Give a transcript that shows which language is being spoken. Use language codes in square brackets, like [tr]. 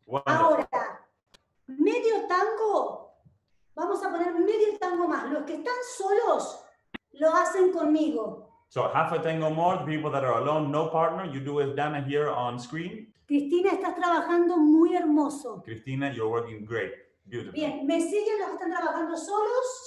[es] Ahora, medio tango, vamos a poner medio tango más. Los que están solos, lo hacen conmigo. [en] So half a tango more, the people that are alone, no partner, you do with Dana here on screen. [es] Cristina, estás trabajando muy hermoso. [en] Cristina, you're working great. Beautiful. [es] Bien, me siguen los que están trabajando solos.